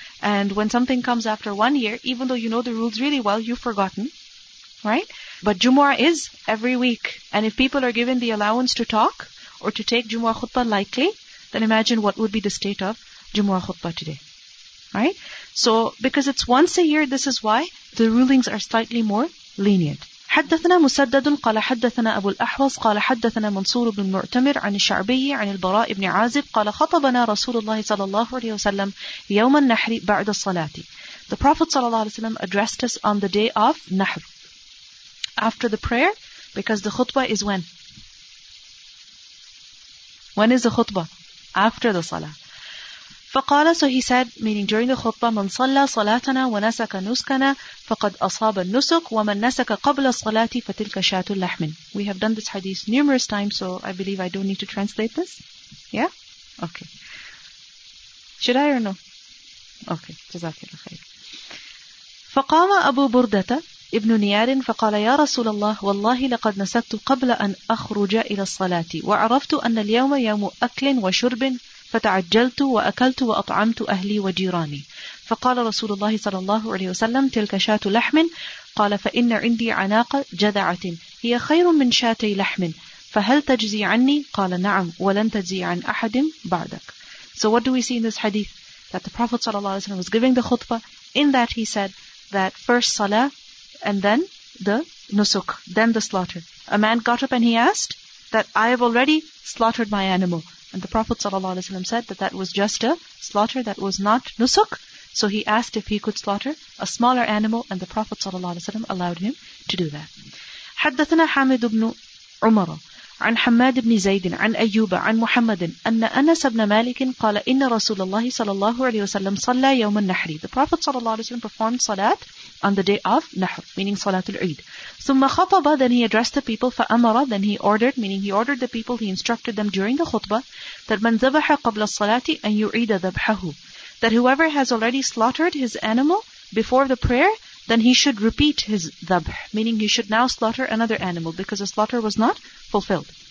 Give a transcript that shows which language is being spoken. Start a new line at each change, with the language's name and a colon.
English: And when something comes after 1 year, even though you know the rules really well, you've forgotten, right? But Jumu'ah is every week. And if people are given the allowance to talk or to take Jumu'ah khutbah lightly, then imagine what would be the state of Jumu'ah khutbah today, right? So because it's once a year, this is why the rulings are slightly more lenient.
Arabic: حدثنا مسدد قال حدثنا أبو الأحوص قال حدثنا منصور بن معتمر عن الشعبي عن البراء بن عازب قال خطبنا رسول الله صلى الله عليه وسلم يوم النحر بعد الصلاة.
English: The Prophet صلى الله عليه وسلم addressed us on the day of Nahr. After the prayer, because the khutbah is when? When is the khutbah? After the salah.
Arabic: فقال,
English: so he said, meaning during the khutbah,
Arabic: من صلى صلاتنا ونسك نسكنا فقد أصاب النسك ومن نسك قبل الصلاة فتلك شاة اللحم.
English: We have done this hadith numerous times, so I believe I don't need to translate this. Yeah? Okay. Should I or no? Okay.
Arabic: جزاك الله خير. فقام أبو بردة ابن نيار فقال يا رسول الله والله لقد نسكت قبل أن أخرج إلى الصلاة وعرفت أن اليوم يوم أكل وشرب فتعجلت وأكلت وأطعمت أهلي وجيراني فقال رسول الله صلى الله عليه وسلم تلك شاة لحم قال فإن عندي عناق جذعة هي خير من شاتي لحم فهل تجزي عني قال نعم ولن تجزي عن أحد بعدك.
English: So what do we see in this hadith? That the Prophet صلى الله عليه وسلم was giving the khutbah. In that he said that first salah and then the nusuk, then the slaughter. A man got up and he asked that I have already slaughtered my animal. And the Prophet ﷺ said that that was just a slaughter, that was not nusuk. So he asked if he could slaughter a smaller animal, and the Prophet ﷺ allowed him to do that.
Arabic: حدثنا حامد بن عمر عن حماد بن زيد عن أيوب عن محمد أن أنس بن مالك قال إن رسول الله صلى الله عليه وسلم صلى يوم النحر.
English: The Prophet ﷺ performed salat on the day of Nahr, meaning Salatul Eid.
Arabic: ثم خطب,
English: then he addressed the people.
Arabic: فأمر,
English: then he ordered, meaning he ordered the people, he instructed them during the khutbah, that
Arabic: من ذبح قبل الصلاة أن يعيد ذبحه.
English: That whoever has already slaughtered his animal before the prayer, then he should repeat his ذبح, meaning he should now slaughter another animal because the slaughter was not fulfilled.